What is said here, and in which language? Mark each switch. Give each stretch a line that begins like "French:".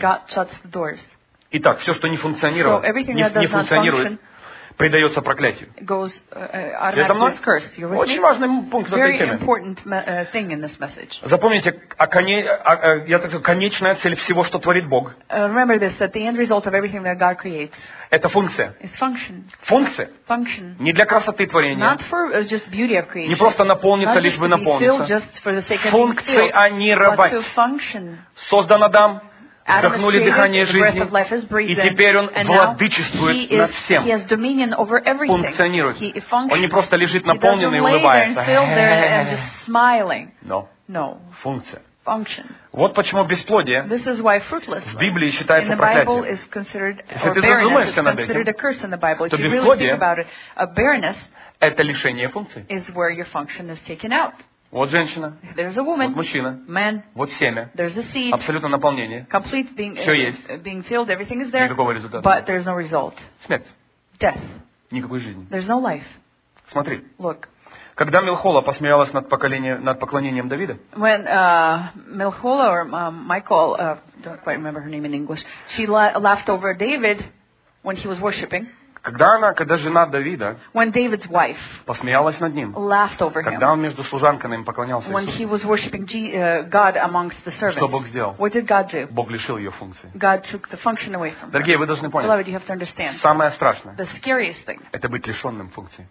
English: God shuts the doors.
Russian: Итак, все, что не функционировало,
English: so everything that
Russian: не функционирует, предается проклятию.
English: Goes,
Russian: все со мной?
English: Cursed. You're with
Russian: очень
English: me?
Russian: Важный пункт
English: very
Russian: этой темы.
English: Important thing in this message.
Russian: Запомните, я так сказал, конечная цель всего, что творит Бог.
English: Remember this, that the end result of everything that God creates.
Russian: Это функция.
English: It's function.
Russian: Функция.
English: Function.
Russian: Не для красоты творения.
English: Not for just beauty of creation.
Russian: Не просто наполниться, лишь бы наполниться.
English: Just for the sake of
Russian: функции,
English: filled,
Russian: а не рвать.
English: But to function.
Russian: Создан Адам. Вдохнули дыхание жизни, и теперь он владычествует над всем. Функционирует. Он не просто лежит наполненный и улыбается. Но. Функция.
English: Function.
Russian: Вот почему бесплодие в Библии считается проклятием. Если ты задумаешься над этим, то бесплодие – это лишение функции. Вот женщина.
English: There's a woman.
Russian: Вот мужчина.
English: Man.
Russian: Вот семя.
English: There's a seed.
Russian: Абсолютно наполнение.
English: Complete being,
Russian: все есть.
English: Being filled, everything is there.
Russian: Никакого результата.
English: But there's no result.
Russian: Смерть.
English: Death.
Russian: Никакой жизни.
English: There's no life.
Russian: Смотри.
English: Look.
Russian: Когда Мелхола посмеялась над поклонением Давида?
English: When Мелхола or Michael, don't quite remember her name in English, she laughed over David when he was worshiping.
Russian: Когда жена Давида
English: when David's wife
Russian: посмеялась над ним,
English: laughed over him,
Russian: когда он между служанками поклонялся
English: when
Russian: Иисусу,
English: he was worshiping God amongst the servants,
Russian: что Бог сделал?
English: What did God do?
Russian: Бог лишил ее функции.
English: God took the function away from
Russian: дорогие,
English: her.
Russian: Вы должны понять,
English: beloved, you have to understand,
Russian: самое страшное
English: the scariest thing
Russian: это быть лишенным функции.